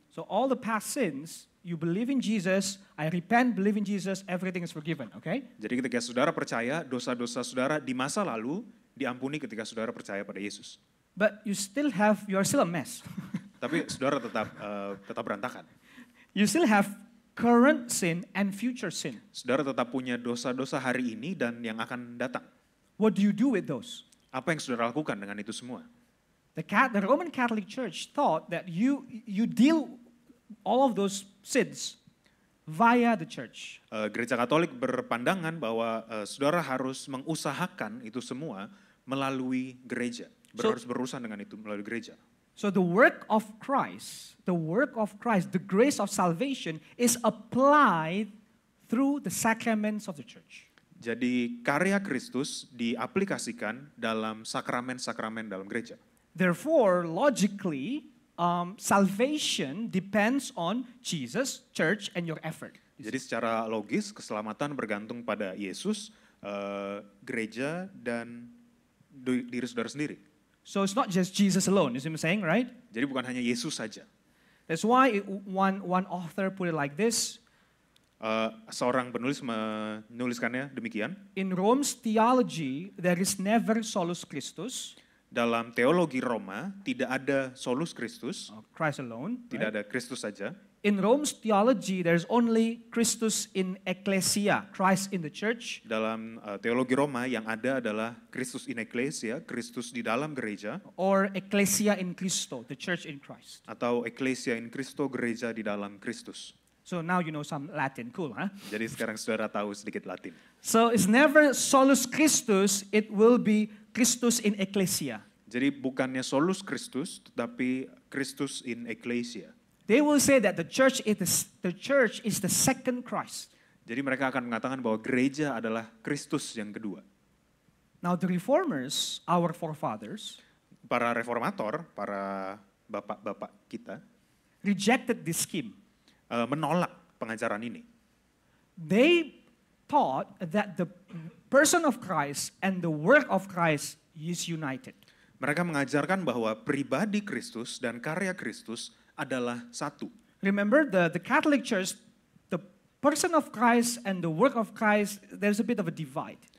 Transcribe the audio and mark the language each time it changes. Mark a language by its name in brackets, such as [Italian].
[English] So all the past sins, you believe in Jesus, I repent, believe in Jesus, everything is forgiven, okay? [Indonesian] Jadi ketika saudara percaya, dosa-dosa saudara di masa lalu diampuni ketika saudara percaya pada Yesus. [English] But you still have, you are still a mess. [Indonesian] Tapi saudara tetap tetap berantakan. [English] You still have current sin and future sin. [Indonesian] Saudara tetap punya dosa-dosa hari ini dan yang akan datang. [English] What do you do with those? [Indonesian] Apa yang saudara lakukan dengan itu semua? [English] The Roman Catholic Church thought that you deal all of those sins via the church. [Indonesian] Gereja Katolik berpandangan bahwa saudara harus mengusahakan itu semua melalui gereja. Harus berurusan dengan itu melalui gereja. [English] So the work of Christ, the grace of salvation is applied through the sacraments of the church. [Indonesian] Jadi karya Kristus diaplikasikan dalam sakramen-sakramen dalam gereja. [English] Therefore, logically, salvation depends on Jesus, church, and your effort. [Indonesian] Jadi secara logis, keselamatan bergantung pada Yesus, gereja, dan diri saudara sendiri. [English] So it's not just Jesus alone, you see what I'm saying, right? [Indonesian] Jadi bukan hanya Yesus saja. [English] That's why one author put it like this. [Indonesian] Seorang penulis menuliskannya demikian. [English] In Rome's theology, there is never solus Christus. [Indonesian] Dalam teologi Roma, tidak ada solus Christus. [English] Christ alone. [Indonesian] Tidak right? ada Kristus saja. [English] In Rome's theology, there is only Christus in ecclesia, Christ in the church. [Indonesian] Dalam teologi Roma, yang ada adalah Christus in ecclesia, Kristus di dalam gereja. [English] Or ecclesia in Christo, the church in Christ. [Indonesian] Atau ecclesia in Christo, gereja di dalam Kristus. [English] So now you know some Latin, cool, huh? [Indonesian] Jadi sekarang saudara tahu sedikit Latin. [English] So it's never solus Christus, it will be Christus in ecclesia. [Indonesian] Jadi bukannya solus Christus, tetapi Christus in ecclesia. [English] They will say that the church is the second Christ. [Indonesian] Jadi mereka akan mengatakan bahwa gereja adalah Kristus yang kedua. [English] Now the reformers, our forefathers, [Indonesian] para reformator, para bapak-bapak kita, [English] rejected this scheme. [Indonesian] Menolak pengajaran ini. [English] They thought that the person of Christ and the work of Christ is united. [Indonesian] Mereka mengajarkan bahwa pribadi Kristus dan karya Kristus adalah satu. [English] Remember the Catholic Church, the person of Christ and the work of Christ, there's a bit of a divide.